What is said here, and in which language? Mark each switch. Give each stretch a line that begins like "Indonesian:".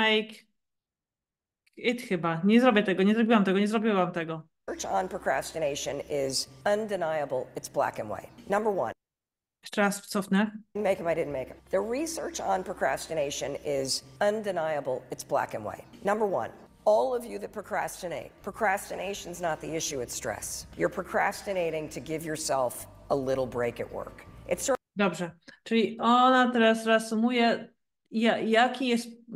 English: I didn't make it
Polish: chyba. Nie zrobię tego, nie zrobiłam tego, nie zrobiłam tego.
English: Research on procrastination is undeniable. It's black and white. Number one.
Polish: Jeszcze raz cofnę.
English: I didn't make it. The research on procrastination is undeniable. It's black and white. Number one. All of you that procrastinate. Procrastination's not the issue, it's stress. You're procrastinating to give yourself a little break at work. It's sort of...
Polish: Dobrze. Czyli ona teraz reasumuje, jaki jest...